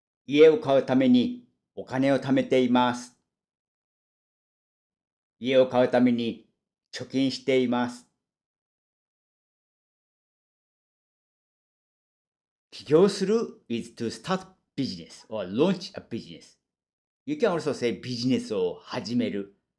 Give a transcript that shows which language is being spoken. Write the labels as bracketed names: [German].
[Japanese] 家を買うためにお金を貯めています。家を買うために貯金しています。 [English] 起業する is to start business or launch a business. You can also say [Japanese] ビジネスを始める。